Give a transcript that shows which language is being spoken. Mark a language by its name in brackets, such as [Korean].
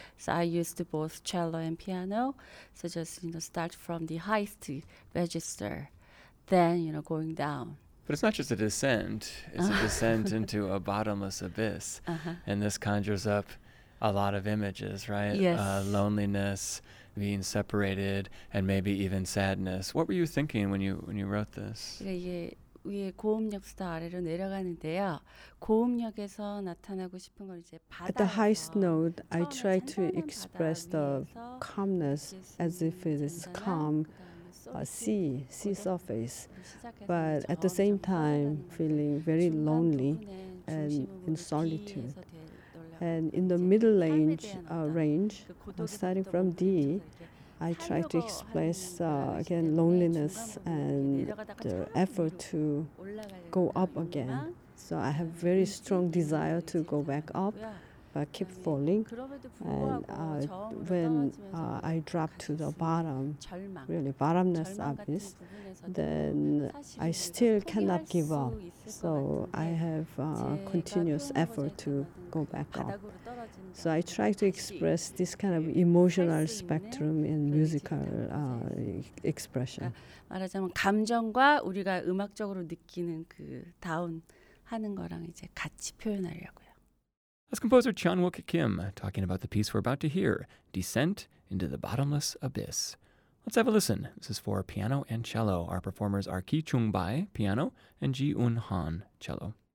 [English] So I used both cello and piano, so just, you know, start from the highest register, then, you know, going down. But it's not just a descent, it's a descent into a bottomless abyss, uh-huh. And this conjures up a lot of images, right? Yes. Loneliness, being separated, and maybe even sadness. What were you thinking when you wrote this? [Korean] 이게 위에 고음역에서 아래로 내려가는데요. 고음역에서 나타내고 싶은 걸 이제 바다. [English] At the highest note, I try to express the calmness as if it is calm, sea surface, but at the same time feeling very lonely and in solitude. And in the middle range, starting from D, I try to express, again, loneliness and the effort to go up again. So I have very strong desire to go back up, but keep falling. And when I drop to the bottom, really bottomless abyss, then I still cannot give up. So I have continuous effort to go back up. So I try to express this kind of emotional spectrum in musical expression. [Korean] 말하자면 감정과 우리가 음악적으로 느끼는 그 다운 하는 거랑 이제 같이 표현하려고요. [English] That's composer Chun-wook Kim talking about the piece we're about to hear, Descent into the Bottomless Abyss. Let's have a listen. This is for piano and cello. Our performers are Ki Chung Bai, piano, and Ji Un Han, cello.